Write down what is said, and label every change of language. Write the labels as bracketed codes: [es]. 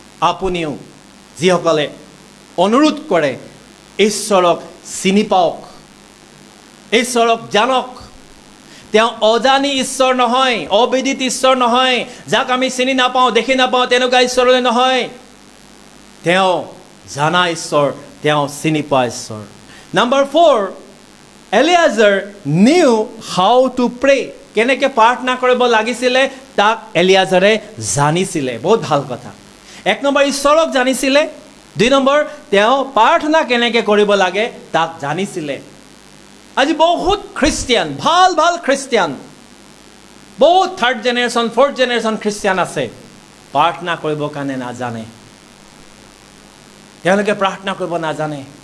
[as] আপুনিও যিসকলে অনুৰোধ কৰে, ঈশ্বৰক চিনি পাওক, ঈশ্বৰক জানক। তেওঁ অজানি ঈশ্বৰ নহয়, অবিদিত ঈশ্বৰ নহয়, যাক আমি চিনি নাপাওঁ, দেখি নাপাওঁ তেনেকুৱা ঈশ্বৰলৈ নহয়, তেওঁ জানা ঈশ্বৰ, তেওঁ চিনি পোৱা ঈশ্বৰ। [en] Number four, Eliazer knew how to pray. [as] কেনেকৈ প্ৰাৰ্থনা কৰিব লাগিছিলে তাক এলিয়াজাৰে জানিছিলে, বহুত ভাল কথা। এক নম্বৰ ঈশ্বৰক জানিছিলে, দুই নম্বৰ তেওঁ প্ৰাৰ্থনা কেনেকৈ কৰিব লাগে তাক জানিছিলে। আজি বহুত খ্ৰীষ্টিয়ান, ভাল ভাল খ্ৰীষ্টিয়ান, বহুত third generation, fourth generation Christian আছে, প্ৰাৰ্থনা কৰিব কাৰণে নাজানে, তেওঁলোকে প্ৰাৰ্থনা কৰিব নাজানে।